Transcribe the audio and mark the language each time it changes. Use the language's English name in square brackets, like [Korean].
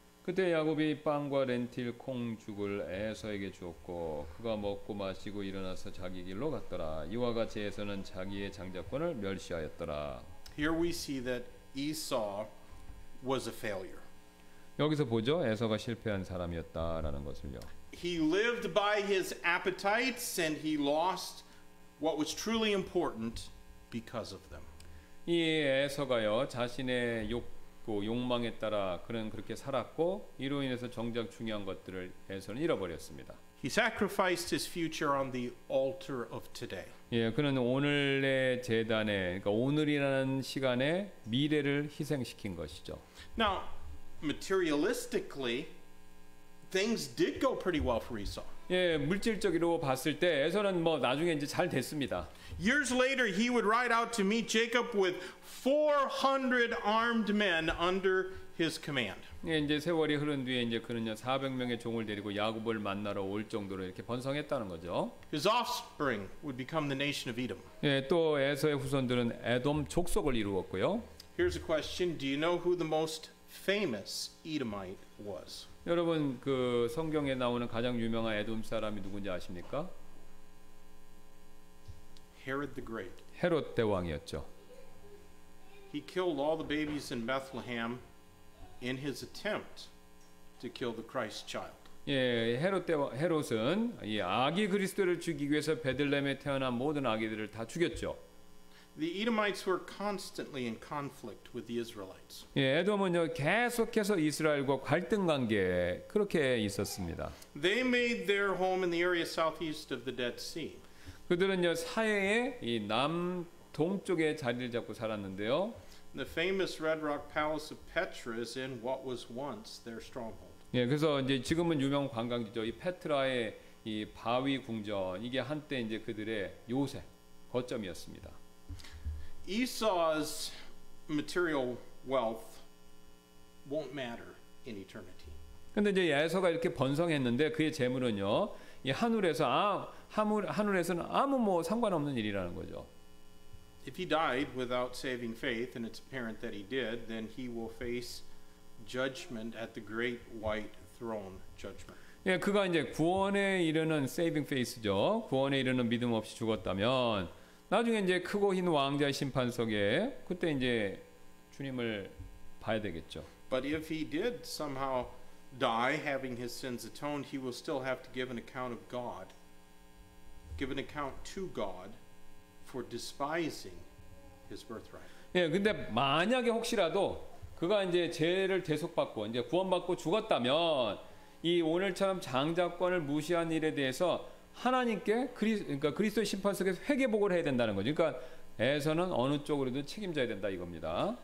[Korean] 그때 야곱이 빵과 렌틸 콩죽을 에서에게 주었고 그가 먹고 마시고 일어나서 자기 길로 갔더라. 이와 같이 에서는 자기의 장자권을 멸시하였더라. [English] Here we see that Esau was a failure. [Korean] 여기서 보죠. 에서가 실패한 사람이었다라는 것을요. [English] He lived by his appetites and he lost what was truly important because of them. [Korean] 이 에서가요 자신의 욕구 욕망에 따라 그는 그렇게 살았고 이로 인해서 정작 중요한 것들을 에서는 잃어버렸습니다. [English] He sacrificed his future on the altar of today. [Korean] 예, 그는 오늘의 제단에 그러니까 오늘이라는 시간에 미래를 희생시킨 것이죠. [English] Now, materialistically, things did go pretty well for Esau. [Korean] 예, 물질적으로 봤을 때 에서는 뭐 나중에 이제 잘 됐습니다. [English] Years later he would ride out to meet Jacob with 400 armed men under his command. [Korean] 예, 이제 세월이 흐른 뒤에 이제 그는요 400명의 종을 데리고 야곱을 만나러 올 정도로 이렇게 번성했다는 거죠. [English] His offspring would become the nation of Edom. [Korean] 예, 또 에서의 후손들은 에돔 족속을 이루었고요. [English] Here's a question. Do you know who the most famous Edomite was? [Korean] 여러분 그 성경에 나오는 가장 유명한 에돔 사람이 누군지 아십니까? [English] Herod the Great. [Korean] 헤롯 대왕이었죠. [English] He killed all the babies in Bethlehem in his attempt to kill the Christ child. [Korean] 예, 헤롯은 이 아기 그리스도를 죽이기 위해서 베들레헴에 태어난 모든 아기들을 다 죽였죠. [English] The Edomites were constantly in conflict with the Israelites. [Korean] 예, 에돔은요 계속해서 이스라엘과 갈등 관계 그렇게 있었습니다. [English] They made their home in the area southeast of the Dead Sea. [Korean] 그들은요 사해의 이 남동쪽에 자리를 잡고 살았는데요. [English] The famous Red Rock Palace of Petra is in what was once their stronghold. [Korean] 예, 그래서 이제 지금은 유명 관광지죠. 이 페트라의 이 바위 궁전 이게 한때 이제 그들의 요새 거점이었습니다. [English] Esau's material wealth won't matter in eternity. [Korean] 근데 이제 야에서가 이렇게 번성했는데 그의 재물은요. 이 하늘에서 하늘에서는 아무 뭐 상관없는 일이라는 거죠. [English] If he died without saving faith and it's apparent that he did, then he will face judgment at the great white throne judgment. [Korean] 예, 그가 이제 구원에 이르는 [English] saving faith [Korean] 죠. 구원에 이르는 믿음 없이 죽었다면 나중에 이제 크고 흰 왕좌 심판석에 그때 이제 주님을 봐야 되겠죠. [English] But if he did somehow die having his sins atoned, he will still have to give an account of God. Give an account to God for despising his birthright. [Korean] 예, 근데 만약에 혹시라도 그가 이제 죄를 대속받고 이제 구원받고 죽었다면 이 오늘처럼 장자권을 무시한 일에 대해서 하나님께 그러니까 그리스도의 심판석에서 회개 보고를 해야 된다는 거죠. 그러니까 에서는 어느 쪽으로도 책임져야 된다 이겁니다.